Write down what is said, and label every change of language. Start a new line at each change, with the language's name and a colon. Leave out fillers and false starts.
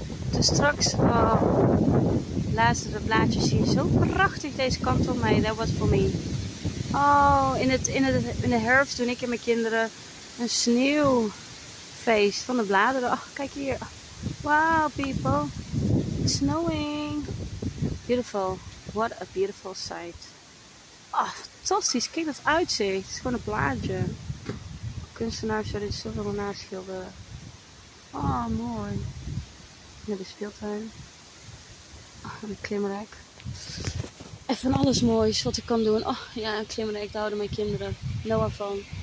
Dutch: Dus straks, oh, luister de blaadjes hier zo prachtig deze kant op mij. Dat was voor mij. Oh, in de herfst doen ik en mijn kinderen een sneeuwfeest van de bladeren. Ach, kijk hier.
English: Wow people, it's snowing. Beautiful, what a beautiful sight.
Dutch: Oh, fantastisch, kijk dat uitzicht. Het is gewoon een blaadje. Kunstenaars zouden dit zoveel naschilderen. Oh, mooi. Met de speeltuin. Oh, een klimrek. En van alles moois wat ik kan doen. Oh ja, een klimrek, daar houden mijn kinderen. Noah van.